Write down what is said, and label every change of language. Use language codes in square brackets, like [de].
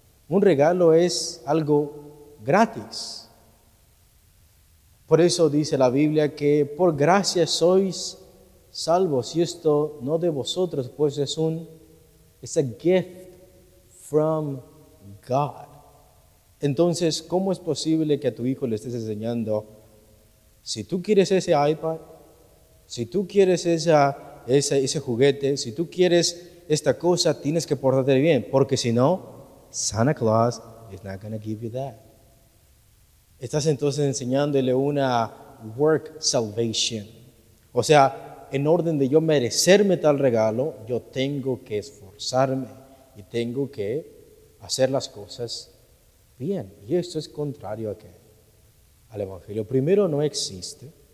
[es] Un regalo es algo gratis. Por eso dice la Biblia que por gracia sois salvos. Y esto no de vosotros, pues es un [en] it's a gift from God. [es] Entonces, ¿cómo es posible que a tu hijo le estés enseñando? Si tú quieres ese iPad, si tú quieres ese juguete, si tú quieres esta cosa, tienes que portarte bien. Porque si no, [en] Santa Claus is not going to give you that. [es] Estás entonces enseñándole una [en] work salvation. [es] O sea, en orden de yo merecerme tal regalo, yo tengo que esforzarme y tengo que hacer las cosas bien. Y esto es contrario a qué? Al Evangelio. Primero, no existe.